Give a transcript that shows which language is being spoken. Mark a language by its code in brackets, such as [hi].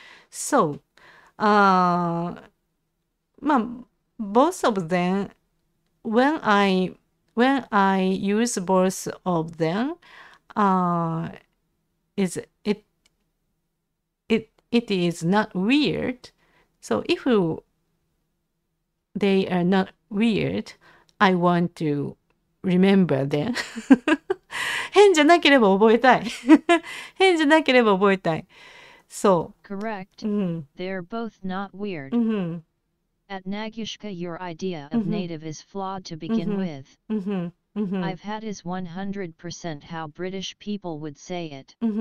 [en] So, both of them, when I use both of them, it is not weird. So if they are not weird, I want to remember them. [ja] 変じゃなければ覚えたい。変じゃなければ覚えたい。そ [en] Correct. [ja] う。 [en] They're both not weird. At Nagushka, your idea of native is flawed to begin with. I've had is 100% how British people would say it.